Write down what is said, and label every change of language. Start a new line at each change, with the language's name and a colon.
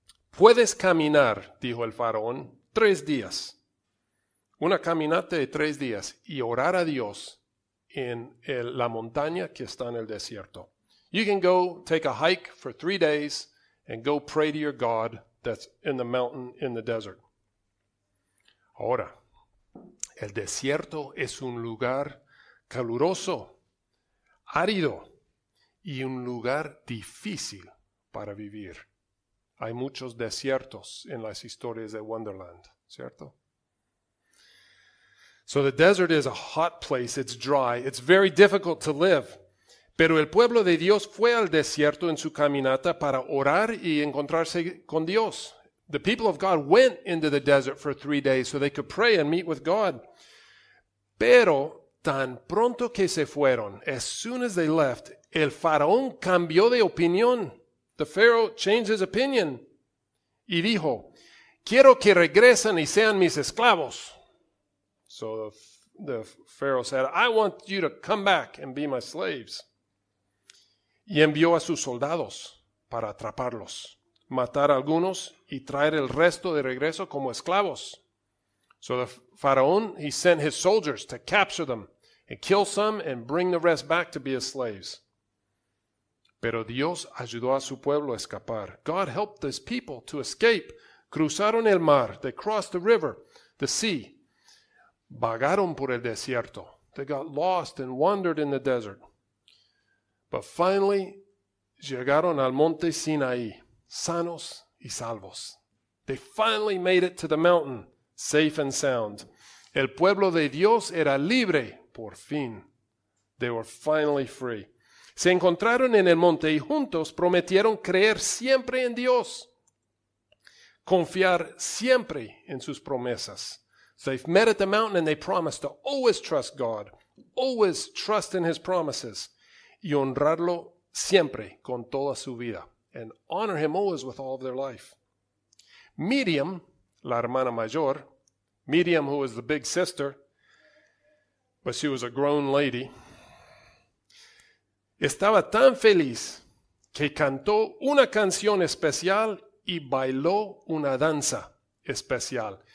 Spanish: Puedes caminar, dijo el faraón, 3 días. Una caminata de 3 días y orar a Dios en la montaña que está en el desierto.
English: You can go take a hike for 3 days and go pray to your God that's in the mountain in the desert.
Spanish: Ahora, el desierto es un lugar caluroso, árido y un lugar difícil para vivir. Hay muchos desiertos en las historias de Wonderland, ¿cierto?
English: So the desert is a hot place, it's dry, it's very difficult to live.
Spanish: Pero el pueblo de Dios fue al desierto en su caminata para orar y encontrarse con Dios.
English: The people of God went into the desert for 3 days so they could pray and meet with God.
Spanish: Pero tan pronto que se fueron,
English: as soon as they left,
Spanish: el faraón cambió de opinión.
English: The Pharaoh changed his opinion.
Spanish: Y dijo, quiero que regresen y sean mis esclavos.
English: So the Pharaoh said, I want you to come back and be my slaves.
Spanish: Y envió a sus soldados para atraparlos, matar a algunos y traer el resto de regreso como esclavos.
English: So the Pharaoh, he sent his soldiers to capture them and kill some and bring the rest back to be his slaves.
Spanish: Pero Dios ayudó a su pueblo a escapar.
English: God helped his people to escape.
Spanish: Cruzaron el mar.
English: They crossed the river, the sea.
Spanish: Vagaron por el desierto.
English: They got lost and wandered in the desert. But finally,
Spanish: llegaron al monte Sinaí, sanos y salvos.
English: They finally made it to the mountain, safe and sound.
Spanish: El pueblo de Dios era libre, por fin.
English: They were finally free.
Spanish: Se encontraron en el monte y juntos prometieron creer siempre en Dios. Confiar siempre en sus promesas.
English: So they met at the mountain and they promised to always trust God, always trust in his promises,
Spanish: y honrarlo siempre con toda su vida,
English: and honor him always with all of their life.
Spanish: Miriam, la hermana mayor, Miriam,
English: who was the big sister, but she was a grown lady,
Spanish: estaba tan feliz que cantó una canción especial y bailó una danza especial.